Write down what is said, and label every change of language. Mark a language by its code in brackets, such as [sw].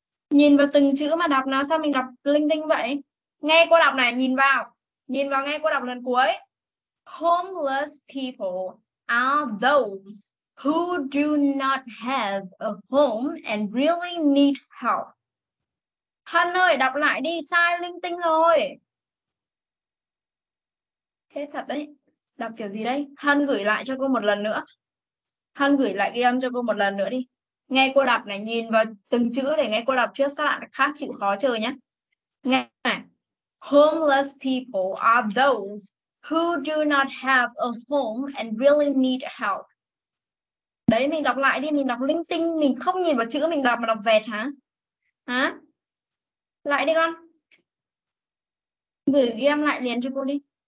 [vi] Nhìn vào từng chữ mà đọc nó. Sao mình đọc linh tinh vậy? Nghe cô đọc này, nhìn vào. Nhìn vào nghe cô đọc lần cuối. [en] Homeless people are those who do not have a home and really need help. [vi] Hân ơi, đọc lại đi. Sai linh tinh rồi. Thế thật đấy. Đọc kiểu gì đấy? Hân gửi lại cho cô một lần nữa. Hân gửi lại ghi âm cho cô một lần nữa đi. Nghe cô đọc này, nhìn vào từng chữ để nghe cô đọc trước. Các bạn khác chịu khó chờ nhé. Nghe này. [en] Homeless people are those who do not have a home and really need help. [vi] Đấy, mình đọc lại đi. Mình đọc linh tinh. Mình không nhìn vào chữ, mình đọc mà đọc vẹt hả? Hả? Lại đi con. Gửi ghi âm lại liền cho cô đi.